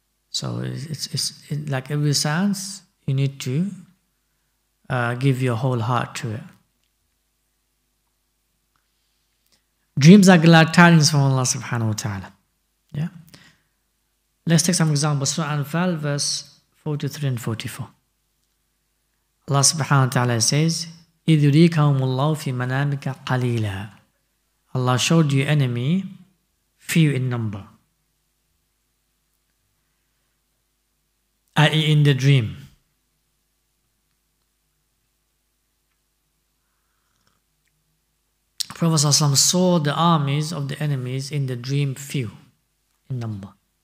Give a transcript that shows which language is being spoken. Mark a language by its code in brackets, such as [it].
[en] So it's like every science, you need to give your whole heart to it. Dreams are glad tidings from Allah subhanahu wa ta'ala. Yeah? Let's take some examples. Surah Anfal, verse 43 and 44. [ar] Allah subhanahu wa ta'ala says, إِذْ يُرِيكَهُمُ اللَّهُ فِي مَنَامِكَ قَلِيلًا. [en] Allah showed you enemy few in number. I.e. in the dream. Prophet saw the armies of the enemies in the dream few in number.